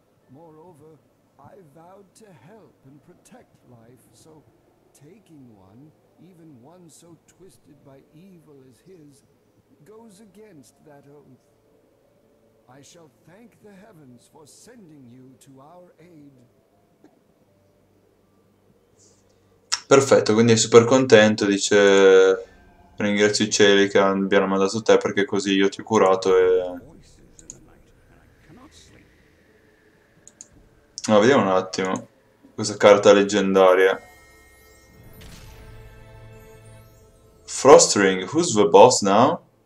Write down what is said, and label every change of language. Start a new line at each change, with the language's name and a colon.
English: Moreover, I vowed to help and protect life, so taking one, even one so twisted by evil as his, goes against that oath. I shall thank the heavens for sending you to our aid.
Italian: Perfetto, quindi è super contento, dice ringrazio i cieli che abbiano mandato te perché così io ti ho curato e... No, vediamo un attimo questa carta leggendaria.
English: Frostring, who's the boss now?